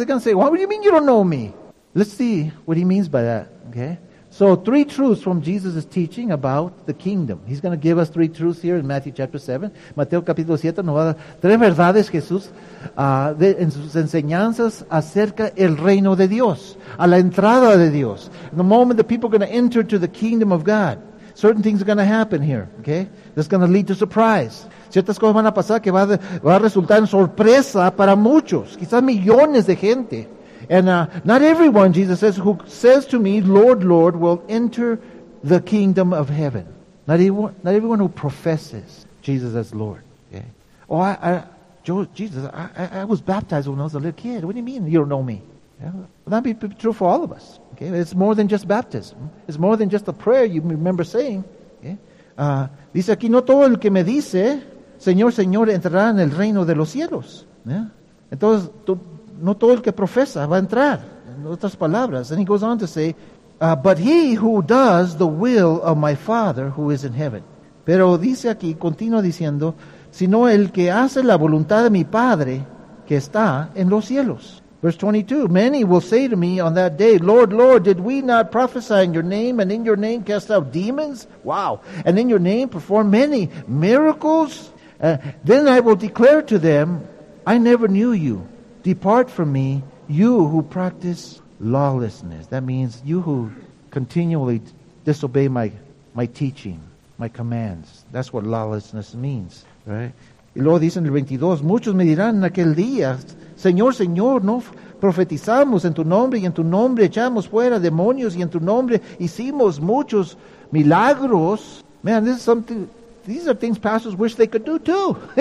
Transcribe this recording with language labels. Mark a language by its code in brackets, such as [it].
[en] They can say, what do you mean you don't know me? Let's see what He means by that. Okay? So three truths from Jesus' teaching about the kingdom. He's going to give us three truths here in Matthew chapter 7. [es] Mateo capítulo 7 nos va a dar tres verdades, Jesús, en sus enseñanzas acerca el reino de Dios, a la entrada de Dios. [en] In the moment the people are going to enter to the kingdom of God, certain things are going to happen here, okay? That's going to lead to surprise. [es] Ciertas cosas van a pasar que va a resultar en sorpresa para muchos, quizás millones de gente. [en] And not everyone, Jesus says, who says to me, Lord, Lord, will enter the kingdom of heaven. Not everyone who professes Jesus as Lord. Okay? Oh, I was baptized when I was a little kid. What do you mean you don't know me? Yeah? Well, that'd be true for all of us. Okay? It's more than just baptism. It's more than just a prayer you remember saying. Okay? [es] Dice aquí, no todo el que me dice, Señor, Señor, entrará en el reino de los cielos. Yeah? Entonces, no todo el que profesa va a entrar. En otras palabras. [en] And he goes on to say, but he who does the will of my Father who is in heaven. [es] Pero dice aquí, continúa diciendo, sino el que hace la voluntad de mi Padre que está en los cielos. [en] Verse 22, many will say to me on that day, Lord, Lord, did we not prophesy in your name and in your name cast out demons? Wow. And in your name perform many miracles? Then I will declare to them, I never knew you. Depart from me, you who practice lawlessness. That means you who continually disobey my teaching, my commands. That's what lawlessness means, right? [es] Y luego dice en el 22, muchos me dirán en aquel día, Señor, Señor, no profetizamos en tu nombre y en tu nombre echamos fuera demonios y en tu nombre hicimos muchos milagros. [en] Man, this is something, these are things pastors wish they could do too.